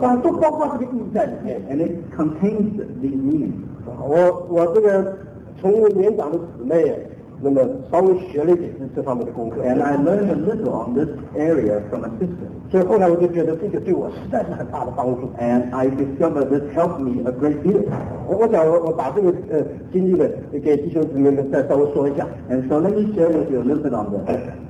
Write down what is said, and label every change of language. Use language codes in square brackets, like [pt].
[zh] 当然都包括这个意义在里面。 [en] And it contains the meaning. [zh] 我这个从我年长的姊妹，那么稍微学了一点这方面的功课。 [en] And I learned a little on this area from a sister. [zh] 所以后来我就觉得这个对我实在是很大的帮助。 [en] And I discovered this helped me a great deal. [zh] 我想我把这个经历呢给弟兄姊妹们再稍微说一下。 [en] And so let me share with you a little bit on this.